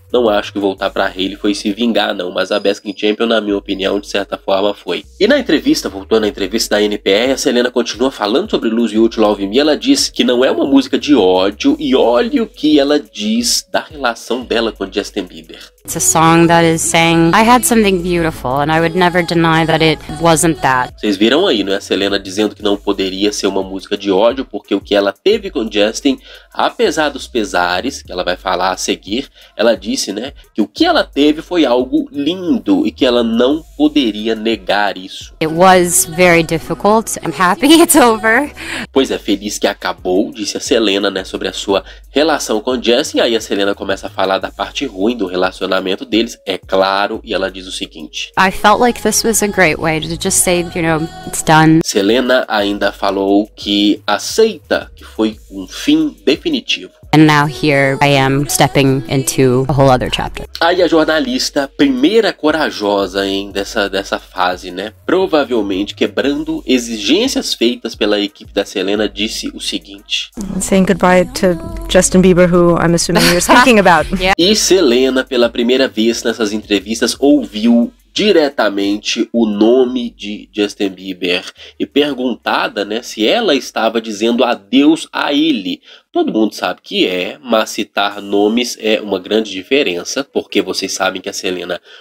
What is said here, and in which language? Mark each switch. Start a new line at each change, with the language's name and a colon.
Portuguese: Não acho que voltar para a Hayley foi se vingar, não. Mas a Baskin Champion, na minha opinião, de certa forma, foi. E na entrevista, voltou na entrevista da NPR, a Selena continua falando sobre Lose You to Love Me. Ela diz que não é uma música de ódio. E olha o que ela diz da relação dela com Justin Bieber.
English: It's a song that is saying I had something beautiful and I would never deny that it wasn't that.
Portuguese: Vocês viram aí, não é? A Selena dizendo que não poderia ser uma música de ódio, porque o que ela teve com Justin, apesar dos pesares, que ela vai falar a seguir, ela disse, né, que o que ela teve foi algo lindo e que ela não poderia negar isso.
English: It was very difficult. I'm happy it's over.
Portuguese: Pois é, feliz que acabou, disse a Selena, né, sobre a sua relação com Justin. Aí a Selena começa a falar da parte ruim do relacionamento deles, é claro, e ela diz o seguinte.
English: I felt like this was a great way to just say, you know, it's done.
Portuguese: Selena ainda falou que aceita que foi um fim definitivo.
English: And now here I am stepping into a whole other chapter.
Portuguese: Aí a jornalista, primeira corajosa, hein, dessa fase, né? Provavelmente quebrando exigências feitas pela equipe da Selena, disse o seguinte.
English: Saying goodbye to Justin Bieber, who I'm assuming you're speaking about.
Portuguese: Yeah. E Selena, pela primeira vez nessas entrevistas, ouviu diretamente o nome de Justin Bieber. E perguntada, né, se ela estava dizendo adeus a ele. Todo mundo sabe que é, mas citar nomes é uma grande diferença, porque vocês sabem que a Selena